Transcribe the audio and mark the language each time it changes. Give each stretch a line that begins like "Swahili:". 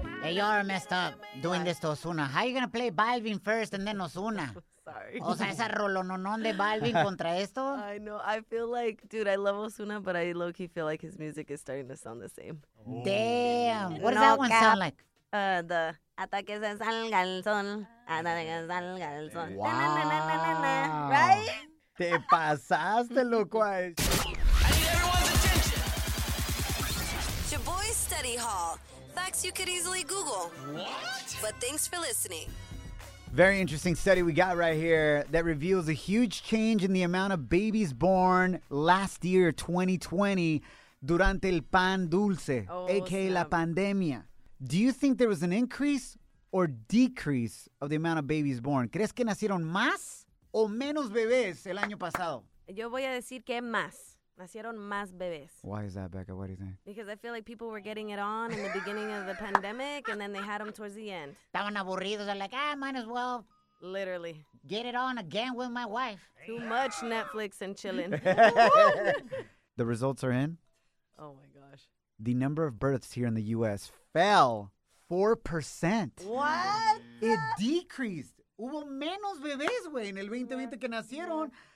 English: You are messed up doing this to Ozuna. How are you going to play Balvin first and then Ozuna? Sorry.
Spanish: O sea, esa rolononón de Balvin contra esto.
English: I know. I feel like, dude, I love Ozuna, but I low-key feel like his music is starting to sound the same. Oh. Damn. What does that one sound like?
Spanish: The hasta que se salga el sol, hasta que salga el sol.
English: Wow. Na-na-na-na-na-na. Right?
Spanish: Te pasaste, loco.
English: I need everyone's attention. Your boy's study hall. facts you could easily Google. What? But thanks for listening. Very interesting study we got right here that reveals a huge change in the amount of babies born last year, 2020,
Spanish: durante el pan dulce,
English: aka
Spanish: la pandemia.
English: Do you think there was an increase or decrease of the amount of babies born?
Spanish: ¿Crees que nacieron más o menos bebés el año pasado? Yo voy a decir que más. Nacieron más bebés.
English: Why is that, Becca? What do you think? Because I feel like people were getting it on in the beginning of the pandemic, and then they had them towards the end.
Spanish: Estaban aburridos.
English: They're like, might as well. Literally. Get it on again with my wife. Too much Netflix and chilling. The results are in. Oh, my gosh. The number of births here in the U.S. fell 4%. What? It decreased.
Spanish: Hubo menos bebés, güey, en el 2020 que nacieron.